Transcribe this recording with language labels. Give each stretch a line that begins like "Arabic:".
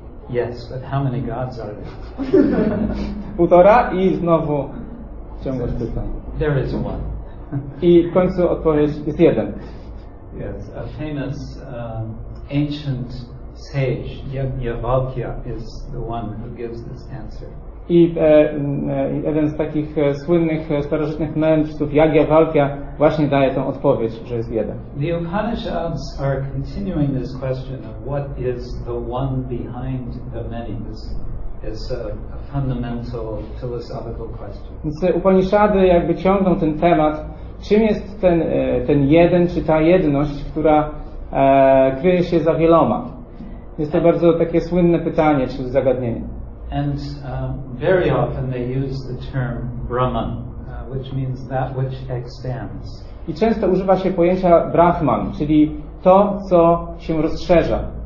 English: Yes, but how many gods are there?
Polish: 1.5 i znowu ciągłość pytań.
English: There is one.
Polish: I w końcu odpowiedź jest jeden.
English: Yes, a famous ancient sage, Yajnavalkya, is the one who gives this answer.
Polish: I jeden z takich słynnych starożytnych mędrców, Yajnavalkya, właśnie daje tę odpowiedź, że jest jeden.
English: The Upanishads are continuing this question of what is the one behind the many. This is a fundamental philosophical question.
Polish: Więc Upaniszady jakby ciągną ten temat, czym jest ten, ten jeden, czy ta jedność, która kryje się za wieloma. Jest to bardzo takie słynne pytanie, czy zagadnienie.
English: And very often they use the term Brahman, which means that which expands.
Polish: I często używa się pojęcia Brahman, czyli to, co się rozszerza.